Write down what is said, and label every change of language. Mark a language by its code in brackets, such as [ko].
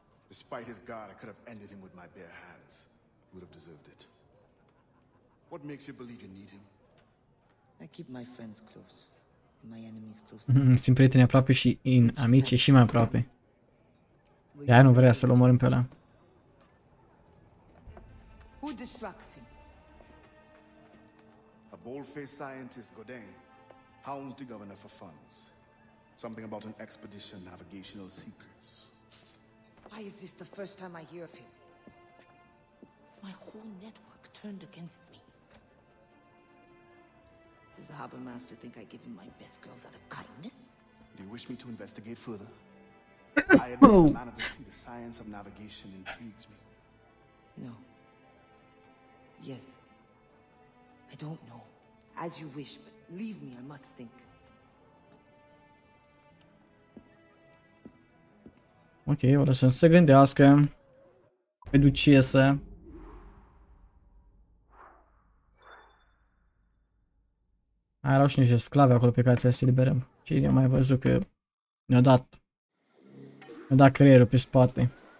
[en] Despite his guard, I could have ended him with my bare hands. He would have deserved it. What makes you believe you need him? I keep my friends close, and my enemies close. [ro] Simt prietenii aproape și în amici și mai aproape. De-aia nu vrea să-l omorim pe ăla. [en] Who distracts him? A bold-faced scientist, Godin, hounds the governor for funds. Something about an expedition, navigational secrets. Why is this the first time I hear of him? Is my whole network turned against me? Does the harbor master think I give him my best girls out of kindness? Do you wish me to investigate further? I admit, as a man of the sea, the science of navigation intrigues me. No. Yes. I don't know. As you wish, but leave me, I must think. [ro] Ok, o lăsăm să se gândească. Pe ducesă. Aia erau și niște sclave acolo pe care trebuie să-i liberăm. Și ne-am mai văzut că ne-a dat creierul pe spate.